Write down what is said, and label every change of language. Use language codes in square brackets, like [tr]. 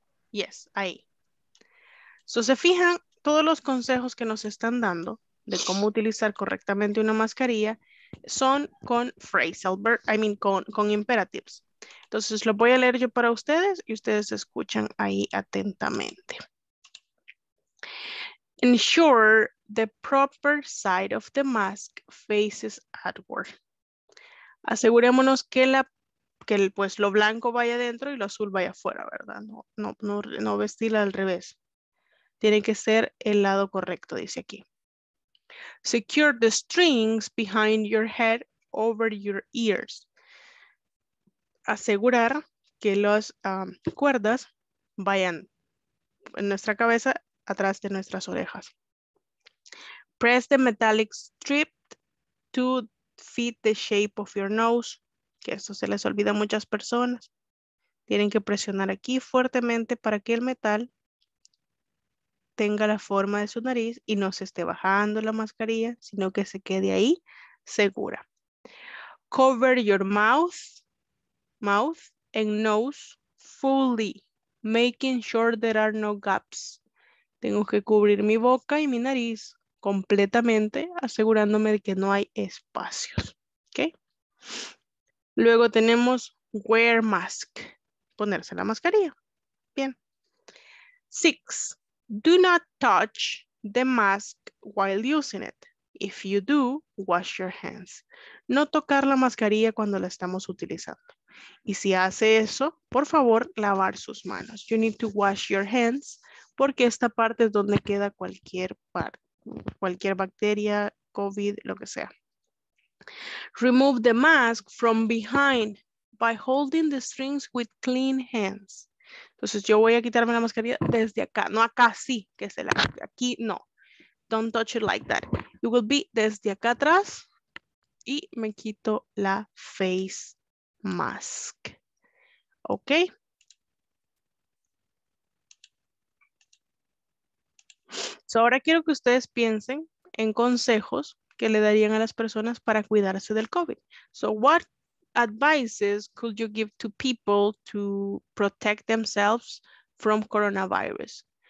[es] Yes, ahí. So, se fijan, todos los consejos que nos están dando de cómo utilizar correctamente una mascarilla son con phrasal verb, [en] I mean [es] con imperatives. Entonces lo voy a leer yo para ustedes y ustedes escuchan ahí atentamente. [en] Ensure the proper side of the mask faces outward. [es] Asegurémonos que la que el, pues lo blanco vaya adentro y lo azul vaya afuera, ¿verdad? No vestirla al revés. Tiene que ser el lado correcto, dice aquí. [en] Secure the strings behind your head over your ears. [es] Asegurar que las cuerdas vayan en nuestra cabeza, atrás de nuestras orejas. [en] Press the metallic strip to fit the shape of your nose. [es] Que esto se les olvida a muchas personas. Tienen que presionar aquí fuertemente para que el metal tenga la forma de su nariz y no se esté bajando la mascarilla, sino que se quede ahí segura. [en] Cover your mouth and nose fully, making sure there are no gaps. [es] Tengo que cubrir mi boca y mi nariz completamente, asegurándome de que no hay espacios. ¿Okay? Luego tenemos wear mask, ponerse la mascarilla. Bien. 6. [en] Do not touch the mask while using it. If you do, wash your hands. [es] No tocar la mascarilla cuando la estamos utilizando. Y si hace eso, por favor, lavar sus manos. [en] You need to wash your hands [es] porque esta parte es donde queda cualquier bacteria, COVID, lo que sea. [en] Remove the mask from behind by holding the strings with clean hands. [es] Entonces yo voy a quitarme la mascarilla desde acá, no acá sí, que se la aquí no. [en] Don't touch it like that. It will be [es] desde acá atrás y me quito la face mask. ¿Ok? So ahora quiero que ustedes piensen en consejos que le darían a las personas para cuidarse del COVID. [en] So what advices could you give to people to protect themselves from coronavirus?